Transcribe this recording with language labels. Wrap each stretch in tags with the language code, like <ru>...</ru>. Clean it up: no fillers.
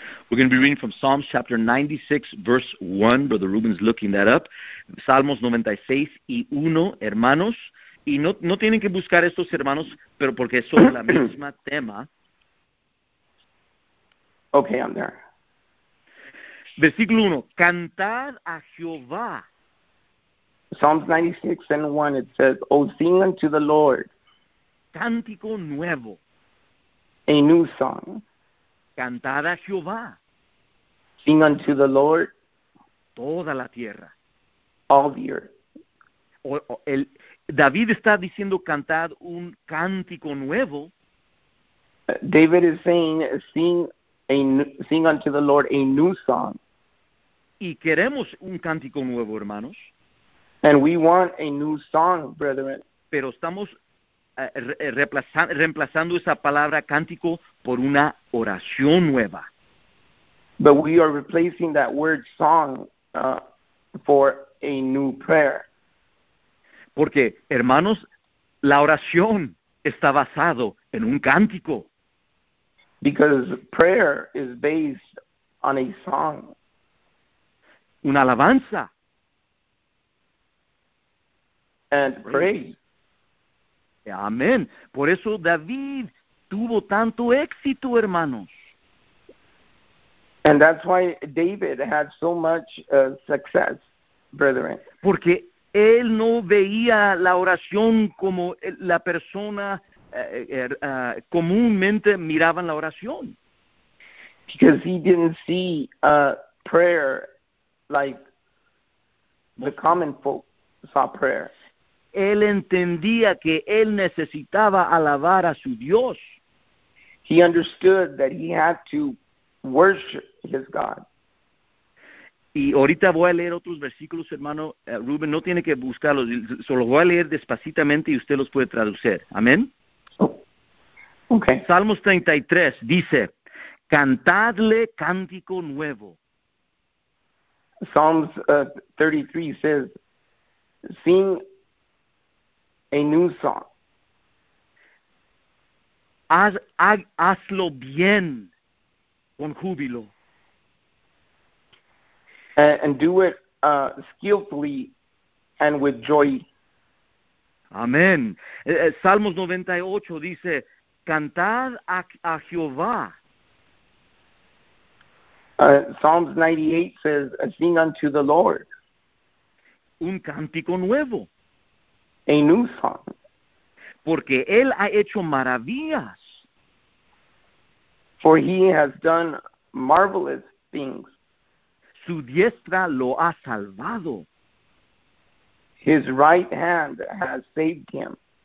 <en>We're going to be reading from Psalms chapter 96, verse 1. Brother Ruben's looking that up.</en> <es>Salmos 96 y 1, hermanos. Y no tienen que buscar estos hermanos, pero porque es sobre la misma tema.</es> <en>Okay, I'm there.</en> <es>Versículo 1. Cantad a Jehová.</es> <en>Psalms 96 and 1, it says, O sing unto the Lord.</en> <es>Cántico nuevo.</es> <en>A new song.</en> <es>Cantad a Jehová.</es> <en>Sing unto the Lord.</en> <es>Toda la tierra.</es> <en>All the earth.</en> <es>David está diciendo cantad un cántico nuevo.</es> <en>David is saying, sing unto the Lord a new song.</en> <es>Y queremos un cántico nuevo, hermanos.</es> <en>And we want a new song, brethren.</en> <es>Pero estamos reemplazando esa palabra cántico por una oración nueva.</es> <en>But we are replacing that word song for a new prayer.</en> <es>Porque, hermanos, la oración está basado en un cántico.</es> <en>Because prayer is based on a song.</en> <es>Una alabanza.</es> <en>And praise.</en> <es>Amén. Por eso David tuvo tanto éxito, hermanos.</es> <en>And that's why David had so much success, brethren.</en> <es>Porque él no veía la oración como la persona comúnmente miraban la oración.</es> <en>Because he didn't see prayer like the common folk saw prayer.</en> <es>Él entendía que él necesitaba alabar a su Dios.</es> <en>He understood that he had to worship his God.</en> <es>Y ahorita voy a leer otros versículos, hermano Ruben. No tiene que buscarlos. Solo voy a leer despacitamente y usted los puede traducir. Amén.</es> <en>Oh. Okay.</en> <es>Salmos 33 dice, cantadle cántico nuevo.</es> <en>Psalms 33 says, sing a new song.</en> <es>Hazlo bien con júbilo.</es> <en>And do it skillfully and with joy.</en> <es>Amén. Salmos 98 dice, cantad a Jehová.</es> <en>Psalms 98 says, sing unto the Lord.</en> <es>Un cántico nuevo.</es> <en>A new song.</en> <es>Porque él ha hecho maravillas.</es> <en>For he has done marvelous things.</en> <es>Su diestra lo ha salvado.</es> <en>His right hand has saved him.</en>